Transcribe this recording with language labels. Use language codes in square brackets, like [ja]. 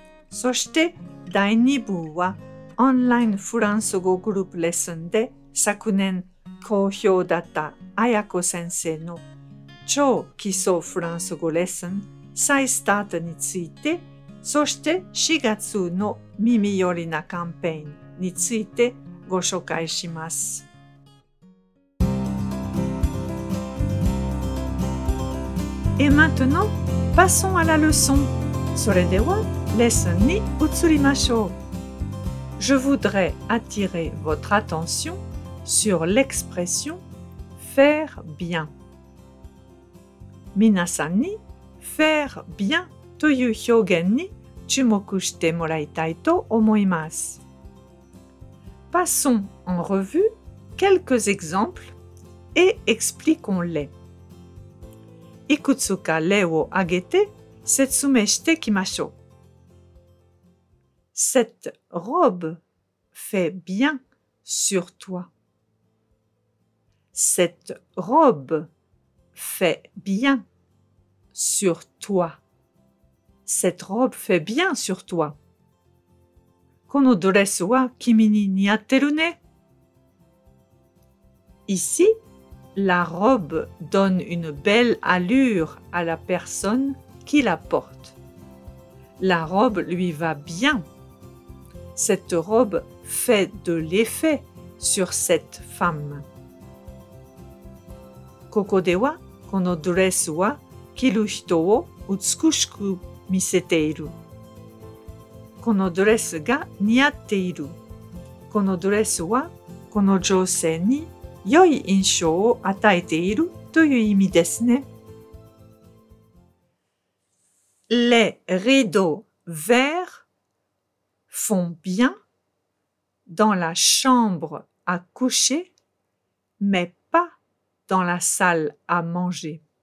[ja] そして第2部はオンラインフランス語グループレッスンで昨年好評だった彩子先生の超基礎フランス語レッスン再スタートについて、そして4月の耳寄りなキャンペーンについてご紹介します。 [fr] Et maintenant, passons à la leçon. [ja] それでは、レッスンに移りましょう。 [fr] Je voudrais attirer votre attention sur l'expression faire bien. [ja] 皆さんに、faire bien という表現に注目してもらいたいと思います。 [fr] Passons en revue quelques exemples et expliquons-les. [ja] いくつか例を挙げて説明していきましょう。 [fr] Cette robe fait bien sur toi. Cette robe fait bien sur toi. Cette robe fait bien sur toi. [ja] このドレスは君に似合ってるね。 [fr] Ici,La robe donne une belle allure à la personne qui la porte. La robe lui va bien. Cette robe fait de l'effet sur cette femme. [ja] ここでは、このドレスは着る人を美しく見せている。このドレスが似合っている。このドレスはこの女性に良い印象を与えているという意味ですね。 [fr] Les rideaux verts font bien dans la chambre à coucher, mais pas dans la salle à manger.